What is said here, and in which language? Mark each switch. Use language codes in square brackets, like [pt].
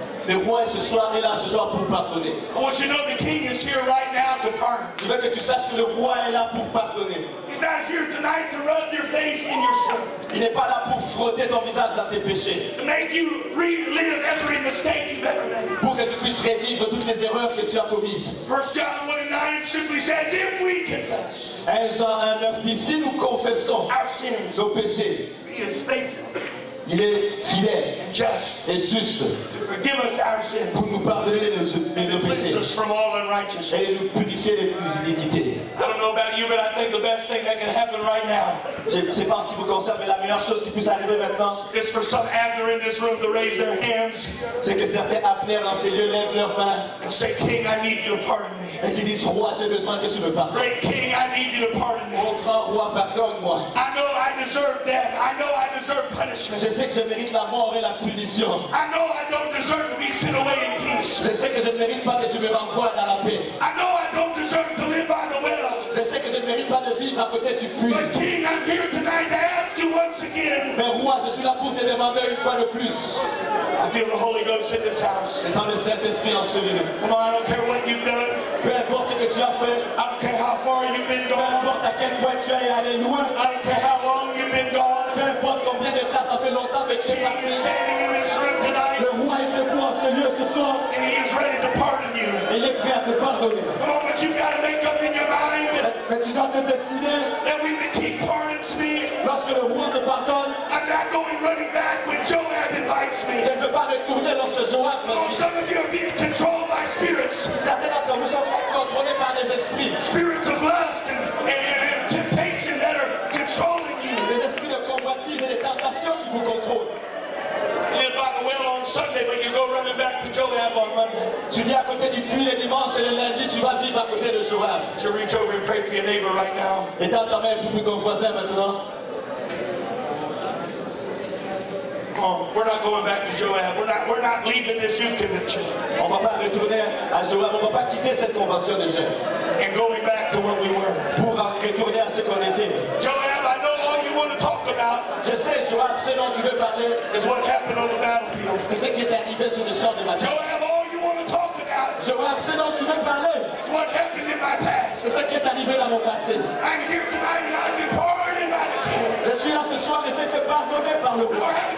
[fr] Le roi ce soir est là ce soir pour pardonner. [en] I want you to know the king is here right now to pardon. [fr] Je veux que tu saches que le roi est là pour pardonner. [en] He's not here tonight to rub your face in your sin. [fr] Il n'est pas là pour frotter ton visage dans tes péchés. [en] To make you relive every mistake you've ever made. [fr] Pour que tu puisses revivre toutes les erreurs que tu as commises. [en] 1 John 1:9 simply says, if we confess, [fr] 1 John 1:9 dit si nous confessons [en] our sins, [fr] nos péchés, [en] he is faithful. [fr] Il Il est fidèle [en] and just [fr] et juste [en] to forgive us our sins [fr] pour nous pardonner de nos péchés [en] us from all unrighteousness. [fr] Et nous purifier de toutes les iniquités. [en] I don't know about you, but I think the best thing that can happen right now. [fr] Je ne sais pas ce qui vous concerne, mais la meilleure chose qui puisse arriver maintenant. [en] Is for some Abner in this room to raise their hands. [fr] C'est que certains Abner dans ces lieux lèvent leurs mains. [en] And say, King, I need you to pardon me. [fr] Et qui disent, roi, j'ai besoin que tu me pardonnes. [en] Great King, I need you to pardon me. [fr] Oh, grand roi, pardonne-moi. [en] I know I deserve death. I know I deserve punishment. [fr] Je sais que je mérite la mort et la punition. [en] I know I don't deserve to be sent away in peace. [fr] Je sais que je ne mérite pas que tu me renvoies dans la paix. [en] I know I don't deserve to live by the well. [fr] Je sais que je ne mérite pas de vivre à côté du puits. [en] But King, I'm here tonight to ask you once again. [fr] Mais roi, je suis là pour te demander une fois de plus. [en] I feel the Holy Ghost in this house. [fr] Je sens le Saint-Esprit en ce lieu. [en] Come on, I don't care what you've done. [fr] Peu importe ce que tu as fait. [en] I don't care how far you've been gone. [fr] Peu importe à quel point tu es allé loin. [en] I don't care how long you've been gone. [fr] Peu importe combien de temps ça fait longtemps que tu es parti. [en] Standing in this room tonight. [fr] Le roi est debout en ce lieu ce soir. [en] And he is ready to pardon you. [fr] Il est prêt à te pardonner. [en] Come on, but you've got to make up in your mind. [fr] Mais tu dois te décider. [en] That when the king pardons me. [fr] Lorsque le roi me pardonne. [en] I'm not going running back when Joab invites me. [fr] Je ne peux pas retourner lorsque Joab me dit. [en] Some of you are being controlled by spirits. [fr] Certains d'entre vous sont contrôlés par les esprits. [en] Spirits of lust and temptation that are controlling you. [fr] Les esprits de convoitise et de tentation qui vous contrôlent. [en] You live by the well on Sunday, but you go running back to Joab on Monday. [fr] Tu viens à côté du puits le dimanche et le lundi, tu vas vivre à côté de Joab. [en] So reach over and pray for your neighbor right now. [fr] Et tends ta main pour ton voisin maintenant. [en] Oh, we're not going back to Joab. We're not leaving this youth convention. [fr] On va pas retourner à Joab. On va pas quitter cette convention de jeunes. [en] And going back to what we were. [fr] Pour retourner à ce qu'on était. [en] Joab, I know all you want to talk about. [fr] Je sais, Joab, ce dont tu veux parler. [en] Is what happened on the battlefield. [fr] C'est ce qui est arrivé sur le champ de bataille. [en] Joab, all you want to talk about. [fr] Joab, ce dont tu veux parler. [en] Is what happened in my past. [fr] C'est ce qui est arrivé dans mon passé. [en] I'm here tonight and I'm departed by the king. [fr] Je suis là ce soir et c'est te pardonner par le roi.